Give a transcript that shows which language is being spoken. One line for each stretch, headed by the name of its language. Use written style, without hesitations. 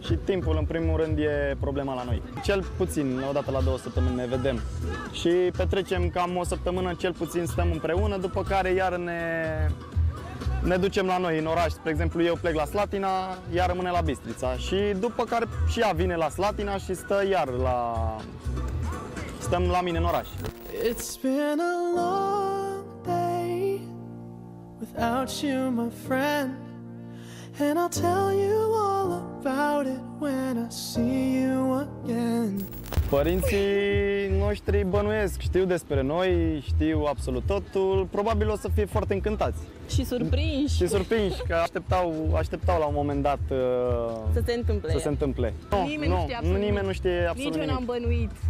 Romanian: Și timpul în primul rând e problema la noi. Cel puțin o dată la 2 săptămâni ne vedem. Și petrecem cam o săptămână, cel puțin stăm împreună, după care iar ne ducem la noi în oraș. Spre exemplu, eu plec la Slatina, ea rămâne la Bistrița și după care și ea vine la Slatina și stă iar la... Stăm la mine în oraș.
English: It's been a long day without you, my friend. And I'll tell you all about it when I see you again.
Romanian: Părinții noștri bănuiesc, știu despre noi, știu absolut totul. Probabil o să fie foarte încântați. Și surprinși. Și surprinși, că așteptau la un moment dat să se întâmple. Nimeni nu știe absolut nimic. Nici eu n-am bănuit.